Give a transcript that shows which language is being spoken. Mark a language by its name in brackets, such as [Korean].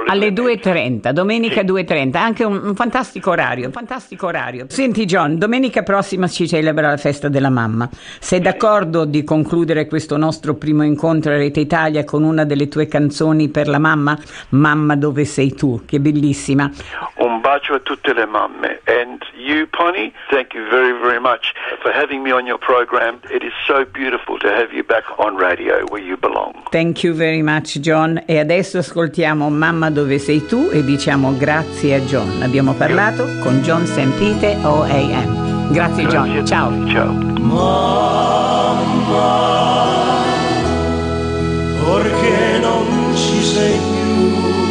[Italian] alle 2:30, domenica 2:30, anche un fantastico orario. Senti John, domenica prossima si celebra la festa della mamma. Sei d'accordo di concludere questo nostro primo incontro a Rete Italia con una delle tue canzoni per la mamma? Mamma, dove sei tu? Che bellissima. Un bacio a tutte le mamme. [English] And you, Pony, thank you very, very much for having me on your program. It is so beautiful to have you back on radio where you belong. Thank you very much, John. [Italian] E adesso ascoltiamo Mamma dove sei tu e diciamo grazie a John. Abbiamo parlato con John St. Peter OAM. Grazie John, ciao. Mamma, perché non ci sei più?